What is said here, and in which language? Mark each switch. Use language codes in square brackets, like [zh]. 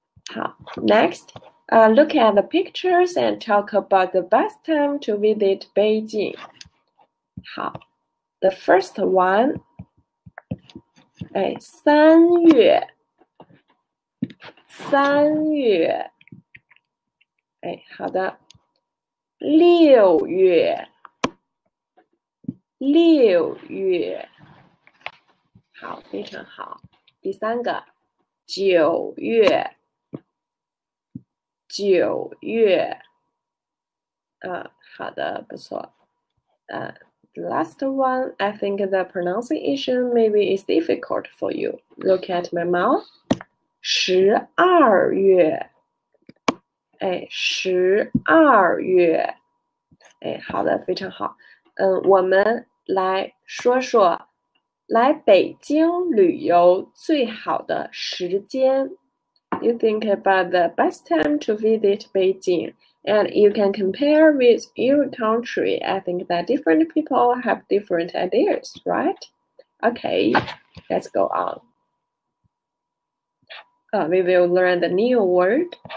[en] 好，next, look at the pictures and talk about the best time to visit Beijing. [zh] 好， [en] the first one, [zh] 哎，三月。三月，哎，好的，六月，六月，好，非常好。第三个，九月，九月，好的，不错。 [en] Last one, I think the pronunciation maybe is difficult for you. Look at my mouth. [zh] 12月，哎，12月，哎，好的，非常好。我们来说说来北京旅游最好的时间。 [en] You think about the best time to visit Beijing, and you can compare with your country. I think that different people have different ideas, right? Okay, let's go on. We will learn the new word.